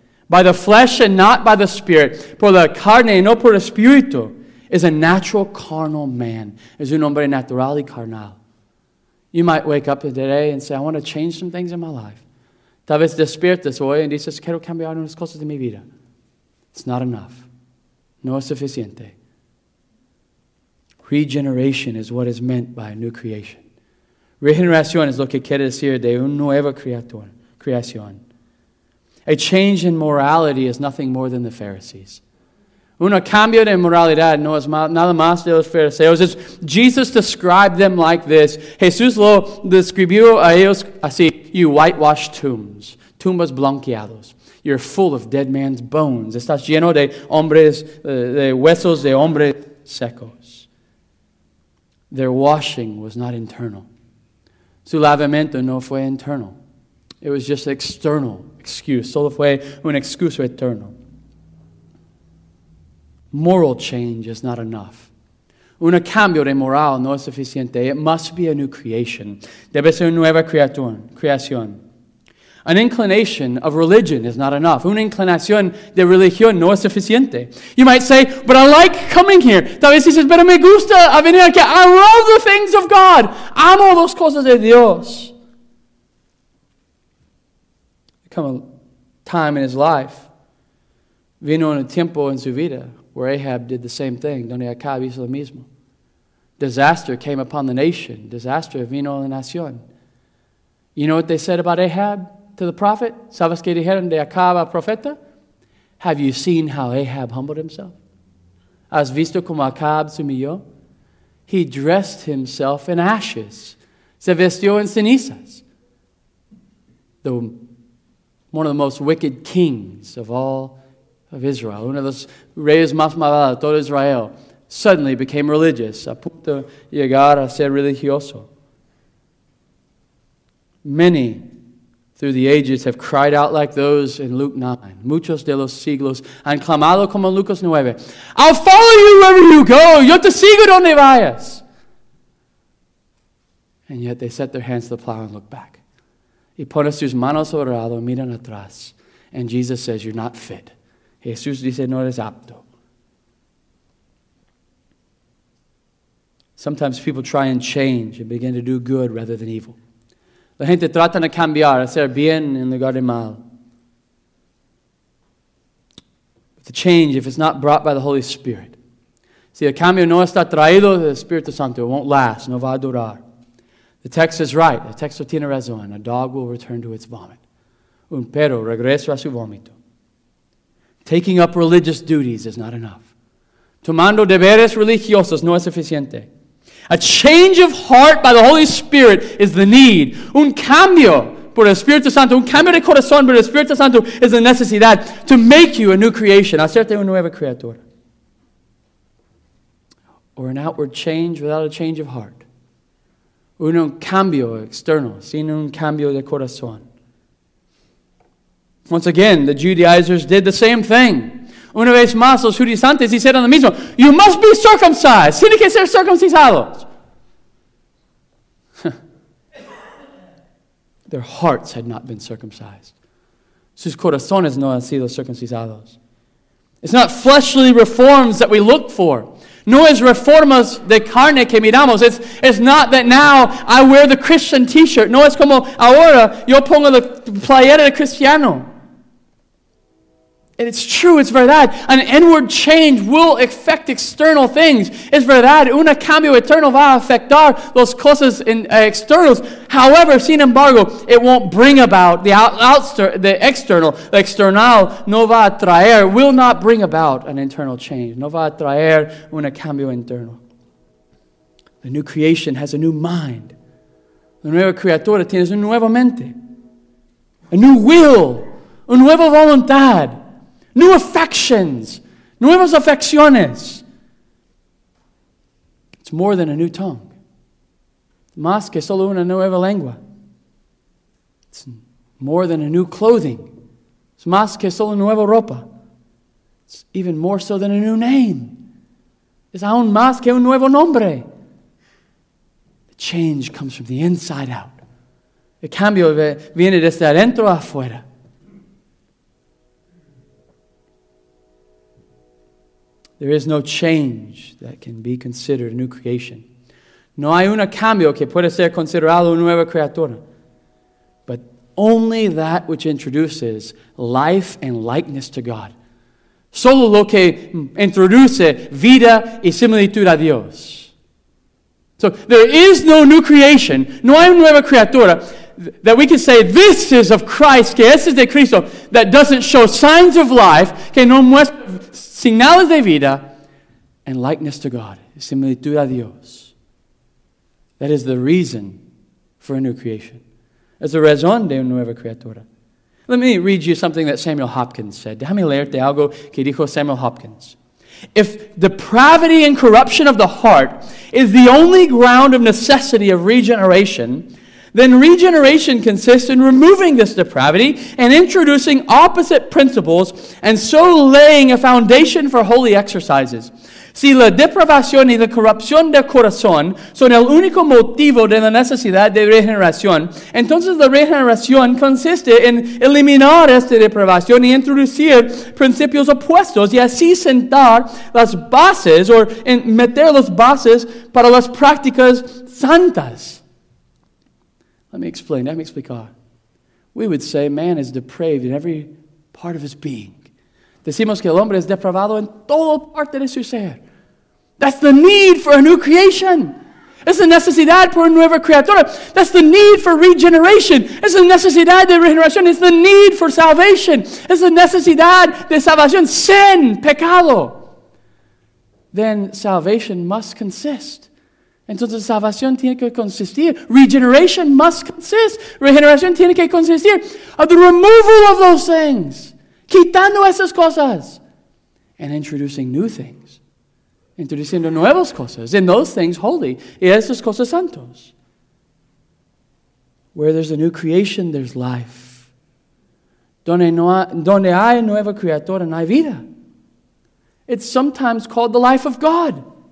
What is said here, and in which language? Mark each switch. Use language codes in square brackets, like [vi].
[en] By the flesh and not by the spirit. [es] Por la carne y no por el espíritu. [en] Is a natural carnal man. [es] Es un hombre natural y carnal. [en] You might wake up today and say, I want to change some things in my life. [es] Tal vez despiertas hoy y dices, quiero cambiar unas cosas de mi vida. [en] It's not enough. [es] No es suficiente. [en] Regeneration is what is meant by a new creation. [es] Regeneración es lo que quiere decir de un nuevo creación. [en] A change in morality is nothing more than the Pharisees. [es] Un cambio de moralidad no es nada más de los fariseos. [en] It's Jesus described them like this. [es] Jesús lo describió a ellos así. [en] You whitewashed tombs. [es] Tumbas blanqueados. [en] You're full of dead man's bones. [es] Estás lleno de hombres, de huesos de hombres secos. [en] Their washing was not internal. [es] Su lavamento no fue internal. [en] It was just external excuse. [es] Solo fue un excuso eterno. [en] Moral change is not enough. [es] Un cambio de moral no es suficiente. [en] It must be a new creation. [es] Debe ser una nueva creación. [en] An inclination of religion is not enough. [es] Una inclinación de religión no es suficiente. [en] You might say, but I like coming here. [es] Tal vez dices, pero me gusta venir aquí. [en] I love the things of God. [es] Amo las cosas de Dios. [en] Come a time in his life. [es] Vino un tiempo en su vida [en] where Ahab did the same thing. [es] Donde Acab hizo lo mismo. [en] Disaster came upon the nation. [es] Disaster vino a la nación. [en] You know what they said about Ahab to the prophet? [es] ¿Sabes qué dijeron de Acab al profeta? [en] Have you seen how Ahab humbled himself? [es] ¿Has visto cómo Acab se humilló? [en] He dressed himself in ashes. [es] Se vestió en cenizas. [en] One of the most wicked kings of all of Israel, [es] uno de los reyes más malvados de todo Israel, [en] suddenly became religious, [es] a punto de llegar a ser religioso. [en] Many through the ages have cried out like those in Luke 9. [es] Muchos de los siglos han clamado como en Lucas 9. [en] I'll follow you wherever you go. [es] Yo te sigo donde vayas. [en] And yet they set their hands to the plow and look back. [es] Y pone sus manos orado, miran atrás. [en] And Jesus says, you're not fit. [es] Jesús dice, no eres apto. [en] Sometimes people try and change and begin to do good rather than evil. [es] La gente trata de cambiar, hacer bien en lugar de mal. [en] But the change, if it's not brought by the Holy Spirit. [es] Si el cambio no está traído del Espíritu Santo, [en] it won't last, [es] no va a durar. [en] The text is right. The [es] texto tiene razón. [en] A dog will return to its vomit. [es] Un perro regresa a su vómito. [en] Taking up religious duties is not enough. [es] Tomando deberes religiosos no es suficiente. [en] A change of heart by the Holy Spirit is the need. [es] Un cambio por el Espíritu Santo. Un cambio de corazón por el Espíritu Santo is the necesidad [en] to make you a new creation. [es] Hacerte una nueva criatura. [en] Or an outward change without a change of heart. [es] Un cambio externo, sin un cambio de corazón. [en] Once again, the Judaizers did the same thing. [es] Una vez más, los judizantes hicieron lo mismo. [en] You must be circumcised. [es] Tiene que ser circuncisado. [en] Their hearts had not been circumcised. [es] Sus corazones no han sido circuncisados. [en] It's not fleshly reforms that we look for. [es] No es reformas de carne que miramos. [en] It's not that now I wear the Christian t-shirt. [es] No es como ahora yo pongo la playera de cristiano. [en] And it's true, it's verdad. An inward change will affect external things. [es] Es verdad, un cambio eterno va a afectar las cosas externas. [en] However, [es] sin embargo, [en] it won't bring about the external [es] no va a traer, [en] will not bring about an internal change. [es] No va a traer un cambio interno. [en] The new creation has a new mind. [es] La nueva criatura tiene una nueva mente. [en] A new will. [es] Una nueva voluntad. [en] New affections. [es] Nuevas afecciones. [en] It's more than a new tongue. [es] Más que solo una nueva lengua. [en] It's more than a new clothing. [es] It's más que solo nueva ropa. [en] It's even more so than a new name. [es] Es aún más que un nuevo nombre. [en] The change comes from the inside out. [es] El cambio viene desde adentro afuera. [en] There is no change that can be considered a new creation. [es] No hay un cambio que puede ser considerado una nueva criatura. [en] But only that which introduces life and likeness to God. [es] Solo lo que introduce vida y similitud a Dios. [en] So there is no new creation. [es] No hay una nueva criatura. [en] That we can say, this is of Christ, [es] que este es de Cristo, [en] that doesn't show signs of life, [es] que no muestra señales de vida, [en] and likeness to God, [es] similitud a Dios. [en] That is the reason for a new creation. [es] Es la razón de una nueva criatura. [en] Let me read you something that Samuel Hopkins said. [es] Déjame leerte algo que dijo Samuel Hopkins. [en] If depravity and corruption of the heart is the only ground of necessity of regeneration, then regeneration consists in removing this depravity and introducing opposite principles and so laying a foundation for holy exercises. [es] Si la depravación y la corrupción del corazón son el único motivo de la necesidad de regeneración, entonces la regeneración consiste en eliminar esta depravación y introducir principios opuestos y así sentar las bases o meter las bases para las prácticas santas. [en] Let me explain. We would say man is depraved in every part of his being. [es] Decimos que el hombre es depravado en todo parte de su ser. [en] That's the need for a new creation. [es] Es la necesidad por una nueva criatura. [en] That's the need for regeneration. [es] Es la necesidad de regeneración. [en] It's the need for salvation. [es] Es la necesidad de salvación. Sin pecado. [en] Then salvation must consist. [es] Entonces salvación tiene que consistir. [en] Regeneration must consist. [es] Regeneración tiene que consistir. [en] Of the removal of those things. [es] Quitando esas cosas. [en] And introducing new things. [es] Introduciendo nuevas cosas. [en] In those things holy. [es] Y esas cosas santos. [en] Where there's a new creation, there's life. [es] Donde hay nueva criatura, no hay vida. [en] It's sometimes called the life of God.